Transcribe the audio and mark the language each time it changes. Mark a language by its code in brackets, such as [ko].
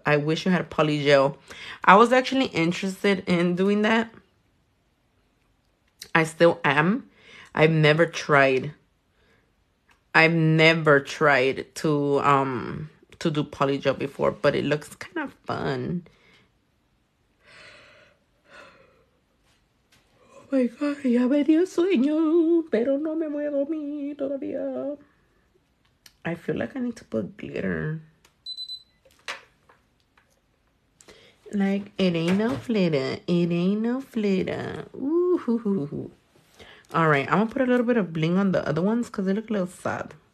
[en] I wish you had poly gel. I was actually interested in doing that. I still am. I've never tried to do poly gel before, but it looks kind of fun. Oh my God, [es] ya me dio sueño, pero no me voy a dormir todavía. [en] I feel like I need to put glitter. Like, it ain't no flitter. It ain't no flitter. Ooh. All right, I'm gonna put a little bit of bling on the other ones because they look a little sad.